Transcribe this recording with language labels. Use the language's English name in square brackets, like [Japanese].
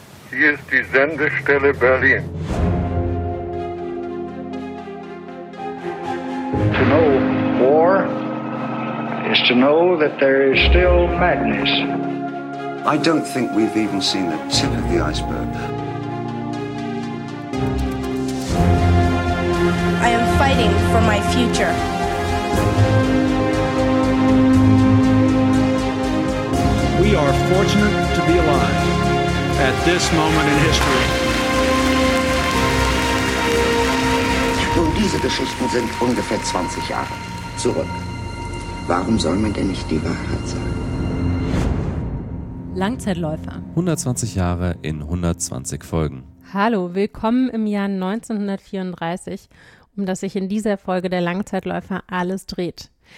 [German] Hier ist die Sendestelle Berlin. [English] To know war is to know that there is still madness. I don't think we've even seen the tip of the iceberg. I am fighting for my future. We are fortunate to be alive at this moment in history. [German] Nun, diese Geschichten sind ungefähr 20 Jahre zurück. Warum soll man denn nicht die Wahrheit sagen? Langzeitläufer. 120 Jahre in 120 Folgen. Hallo, willkommen im Jahr 1934, um das sich in dieser Folge der Langzeitläufer alles dreht.